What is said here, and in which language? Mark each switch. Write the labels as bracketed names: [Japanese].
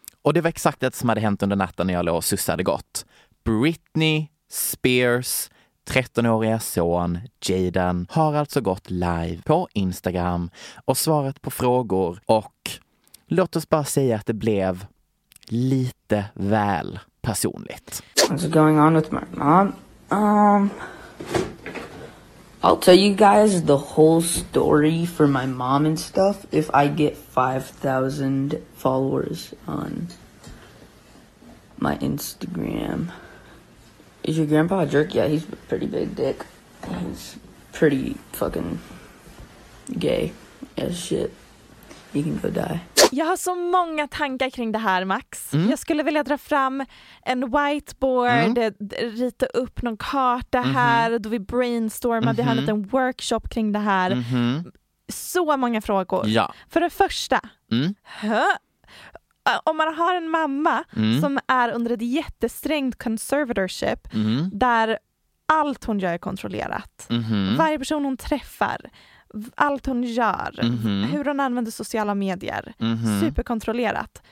[Swedish] Och det var exakt det som hade hänt under natten när jag låg och sussade gott. Britney Spears 13-åriga son Jaden har alltså gått live på Instagram och svarat på frågor och låt oss bara säga att det blev lite väl personligt. [English] What's going on with my mom? I'll tell you guys the whole story for my mom and stuff if I get 5,000 followers on my Instagram. Is your grandpa a jerk? Yeah, he's a pretty big dick. He's pretty fucking gay as shit. He can go die. [Swedish] Jag har så många tankar kring det här, Max. Mm. Jag skulle vilja dra fram en whiteboard, rita upp någon karta här, då vi brainstormar, vi har en liten workshop kring det här. Så många frågor. Ja. För det första, om man har en mamma som är under ett jättesträngt conservatorship, där allt hon gör är kontrollerat, varje person hon träffar, allt hon gör, hur hon använder sociala medier, superkontrollerat.